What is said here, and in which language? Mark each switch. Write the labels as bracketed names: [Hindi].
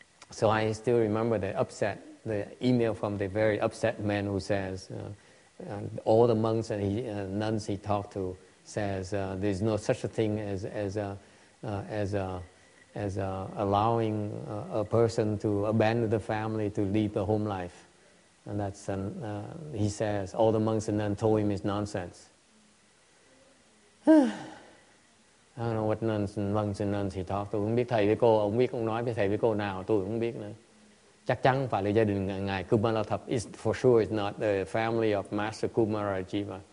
[English] So I still remember the upset, the email from the very upset man who says, all the monks and nuns he talked to says there's no such a thing as allowing a person to abandon the family to lead the home life, and that's he says all the monks and nuns told him is nonsense. I don't know what monks and nuns he talked to. [Vietnamese] Không biết thầy với cô, ông biết ông nói với thầy với cô nào, tôi không biết nữa. Chắc chắn phải là gia đình ngài Kumara Thập. [English] It's for sure it's not the family of Master Kumara Jiva.